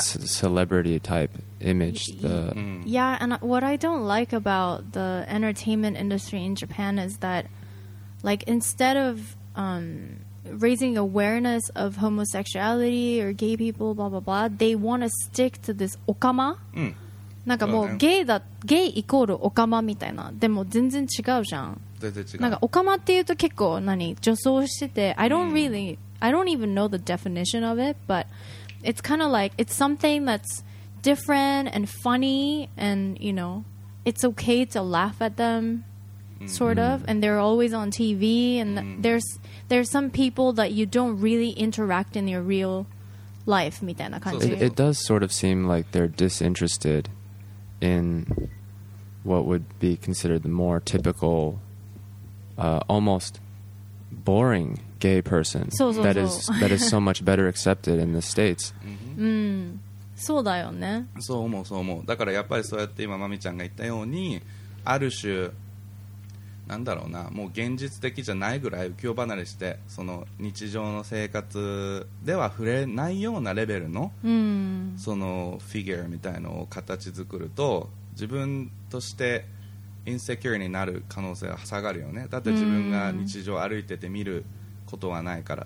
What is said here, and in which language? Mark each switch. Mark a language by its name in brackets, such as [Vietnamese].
[English] celebrity typeimage the yeah and what I don't like about the entertainment industry in Japan is that like instead of raising awareness of homosexuality or gay people blah blah blah they want to stick to this okama、 [Japanese] うん、なんかもうゲイだゲイイコールオカマみたいなでも全然違うじゃん全然違うなんかオカマっていうと結構何女装してて [English] I don't really、うん、I don't even know the definition of it but it's kind of like it's something that'sdifferent and funny and you know it's okay to laugh at them、mm-hmm. sort of and they're always on TV and、mm-hmm. there's some people that you don't really interact in your real life [Japanese] みたいな感じ [English] it does sort of seem like they're disinterested in what would be considered the more typical、almost boring gay person [Japanese] そうそうそう [English] that is so much better accepted in the States [Japanese] mm-hmm. Mm-hmm. そうだよね。そう思うそう思う。だからやっぱりそうやって今マミちゃんが言ったように、ある種なんだろうな、もう現実的じゃないぐらい浮世離れして、その日常の生活では触れないようなレベルの、うん、そのフィギュアみたいのを形作ると、自分としてインセキュアになる可能性は下がるよね。だって自分が日常歩いてて見ることはないから。